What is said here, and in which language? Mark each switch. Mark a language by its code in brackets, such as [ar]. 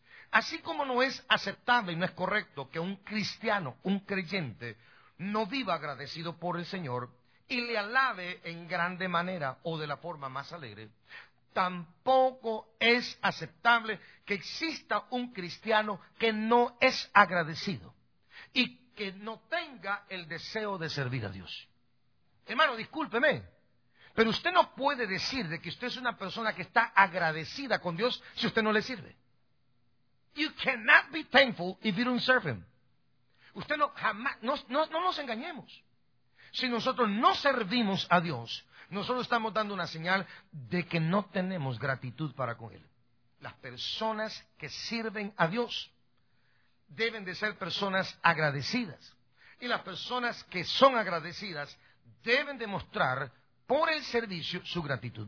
[es] así como no es aceptable y no es correcto que un cristiano, un creyente, no viva agradecido por el Señor y le alabe en grande manera o de la forma más alegre, tampoco es aceptable que exista un cristiano que no es agradecido y que no tenga el deseo de servir a Dios. Hermano, discúlpeme, pero usted no puede decir de que usted es una persona que está agradecida con Dios si usted no le sirve. [en] You cannot be thankful if you don't serve him. [es] Usted no, jamás, no nos engañemos. Si nosotros no servimos a Dios, nosotros estamos dando una señal de que no tenemos gratitud para con él. Las personas que sirven a Dios deben de ser personas agradecidas. Y las personas que son agradecidas deben demostrar por el servicio su gratitud.